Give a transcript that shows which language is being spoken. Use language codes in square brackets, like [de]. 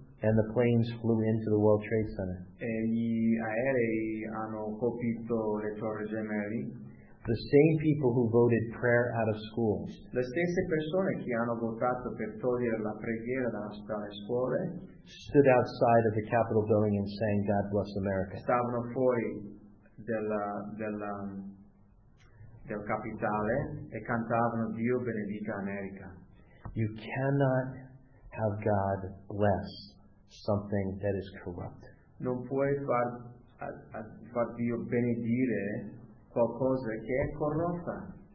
[en] And the planes flew into the World Trade Center. [it] E gli aerei hanno colpito le torri gemelle. [en] The same people who voted prayer out of schools. [it] Le stesse persone che hanno votato per togliere la preghiera dalle scuole. [en] Stood outside of the Capitol building and sang "God Bless America." [it] Stavano fuori del Capitale e cantavano "Dio benedica America." [en] You cannot have God bless something that is corrupt. [it] Non puoi far Dio benedire qualcosa che è corrotta.